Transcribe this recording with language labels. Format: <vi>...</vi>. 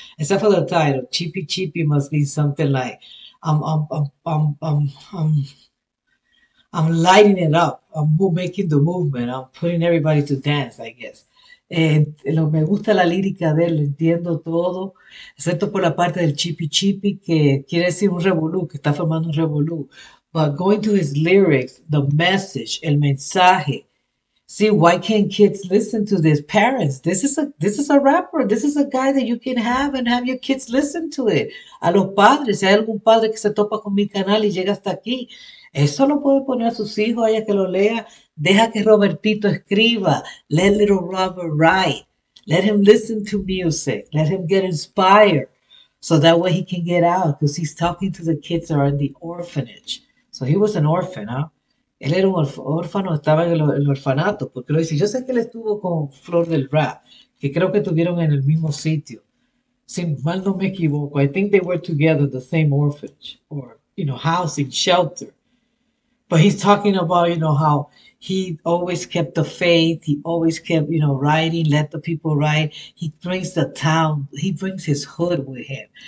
<en>Except for the title, chipi chipi must be something like I'm lighting it up. I'm making the movement. I'm putting everybody to dance, I guess.</en> <es>Lo me gusta la lírica de él, entiendo todo, excepto por la parte del chipi chipi, que quiere decir un revolú, que está formando un revolú.</es> <en>But going to his lyrics, the message,</en> <es>el mensaje.</es> <en>See, why can't kids listen to this? Parents, this is a rapper. This is a guy that you can have and have your kids listen to it.</en> <es>A los padres, si hay algún padre que se topa con mi canal y llega hasta aquí, eso lo puede poner a sus hijos, allá que lo lea. Deja que Robertito escriba.</es> <en>Let little Robert write. Let him listen to music. Let him get inspired. So that way he can get out because he's talking to the kids that are in the orphanage. So he was an orphan, huh?</en> <es>Él era un huérfano, estaba en el orfanato, porque lo dice. Yo sé que él estuvo con Flor del Rap, que creo que tuvieron en el mismo sitio. Si mal no me equivoco,</es> <en>I think they were together in the same orphanage, or, housing, shelter. But he's talking about, how he always kept the faith, he always kept, writing, let the people write. He brings the town, he brings his hood with him.</en>